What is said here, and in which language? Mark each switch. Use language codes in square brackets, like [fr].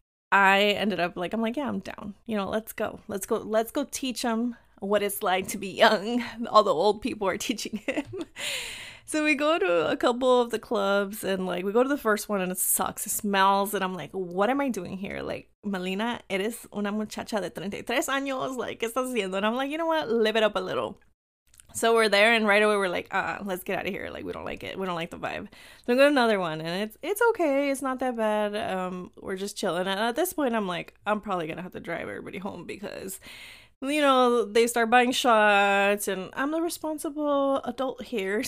[en] I ended up like, I'm like, yeah, I'm down, you know, let's go teach him what it's like to be young. All the old people are teaching him. So we go to a couple of the clubs, and like we go to the first one and it sucks. It smells. And I'm like, what am I doing here? [es] Like, Melina, eres una muchacha de 33 años. Like, ¿qué estás haciendo? [en] And I'm like, you know what? Live it up a little. So we're there, and right away we're like, let's get out of here. Like, we don't like it. We don't like the vibe. So we go to another one, and it's okay. It's not that bad. We're just chilling. And at this point, I'm like, I'm probably going to have to drive everybody home because, you know, they start buying shots and I'm the responsible adult here.